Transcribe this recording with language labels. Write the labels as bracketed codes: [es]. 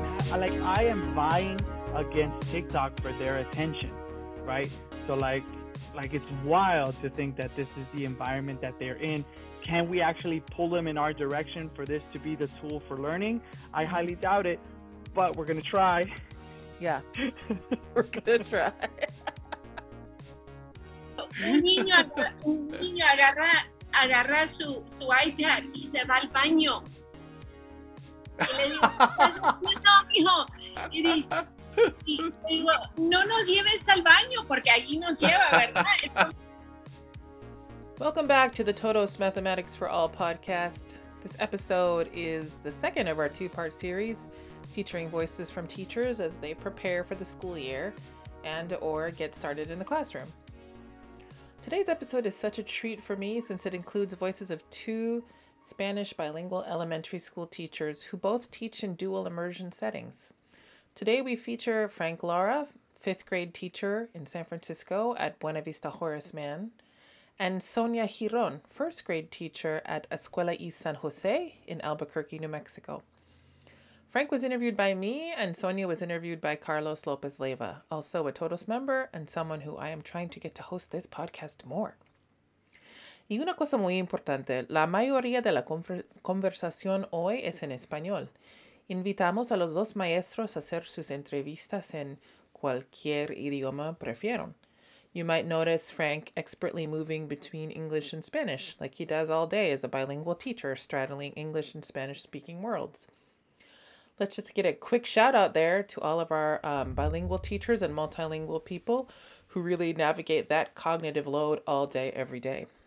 [en] Like, I am vying against TikTok for their attention, right? So like it's wild to think that this is the environment that they're in. Can we actually pull them in our direction for this to be the tool for learning? I highly doubt it, but we're gonna try. Yeah, we're gonna try. [es] Un niño agarra su iPad y se va al baño. Y le digo, ¿estás haciendo, mijo? Y dice, y digo, no nos lleves al baño porque allí nos lleva, ¿verdad? [en] Welcome back to the Todos Mathematics for All podcast. This episode is the second of our two-part series featuring voices from teachers as they prepare for the school year and or get started in the classroom. Today's episode is such a treat for me since it includes voices of two Spanish bilingual elementary school teachers who both teach in dual immersion settings. Today we feature Frank Lara, fifth grade teacher in San Francisco at Buena Vista Horace Mann, and Sonia Giron, first grade teacher at Escuela y San Jose in Albuquerque, New Mexico. Frank was interviewed by me, and Sonia was interviewed by Carlos Lopez Leyva, also a Todos member and someone who I am trying to get to host this podcast more. [es] Y una cosa muy importante, la mayoría de la conversación hoy es en español. Invitamos a los dos maestros a hacer sus entrevistas en cualquier idioma prefieran. [en] You might notice Frank expertly moving between English and Spanish, like he does all day as a bilingual teacher straddling English and Spanish speaking worlds. Let's just get a quick shout out there to all of our bilingual teachers and multilingual people who really navigate that cognitive load all day, every day.